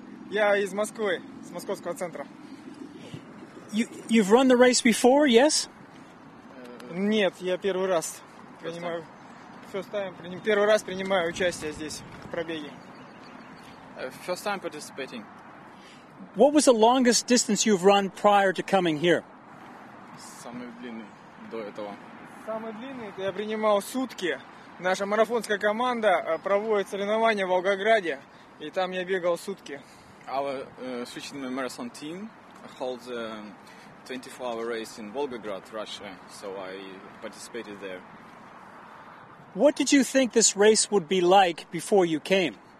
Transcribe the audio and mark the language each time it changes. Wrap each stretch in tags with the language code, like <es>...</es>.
<ru>Я из Москвы, с московского центра.</ru> <en>You've run the race before, yes?</en> <ru>Нет, я первый раз принимаю.</ru> <en>First time.</en> <ru>Первый раз принимаю участие здесь в пробеге.</ru> <en>First time participating. What was the longest distance you've run prior to coming here?</en> <ru>Самый длинный до этого. Самый длинный я принимал сутки. Наша марафонская команда проводит соревнования в Волгограде, и там я бегал сутки.</ru> <en>Our Switzerland marathon team holds a 24-hour race in Volgograd, Russia, so I participated there. What did you think this race would be like before you came?</en>